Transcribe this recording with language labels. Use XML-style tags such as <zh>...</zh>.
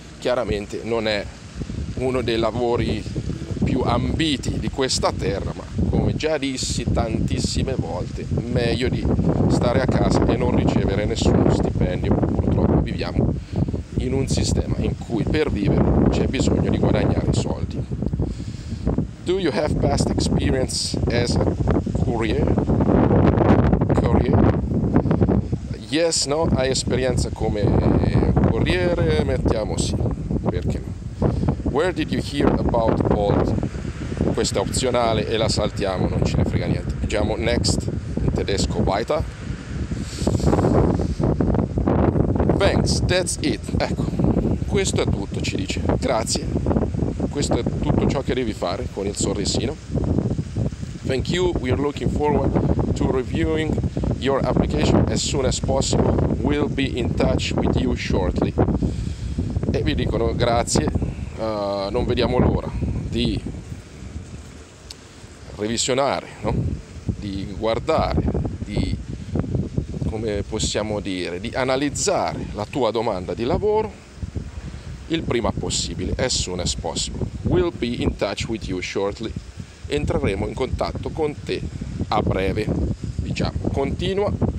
<it>Chiaramente non è uno dei lavori più ambiti di questa terra, ma come già dissi tantissime volte, meglio di stare a casa e non ricevere nessuno stipendio. Purtroppo viviamo in un sistema in cui per vivere c'è bisogno di guadagnare soldi.</it> <en>Do you have past experience as a courier? Yes, no,</en> <it>hai esperienza come corriere? Mettiamo sì, perché no.</it> <en>Where did you hear about Bolt?</en> <it>Questa è opzionale e la saltiamo, non ce ne frega niente. Diciamo next, in tedesco, weiter.</it> <en>Thanks, that's it.</en> <it>Ecco, questo è tutto, ci dice. Grazie. Questo è tutto ciò che devi fare, con il sorrisino.</it> <en>Thank you, we are looking forward to reviewing your application as soon as possible. We'll be in touch with you shortly.</en> <it>E vi dicono grazie, non vediamo l'ora di revisionare, no? Di guardare, di, come possiamo dire, di analizzare la tua domanda di lavoro il prima possibile,</it> <en>as soon as possible. We'll be in touch with you shortly.</en> <it>Entreremo in contatto con te a breve, diciamo. Continua.</it>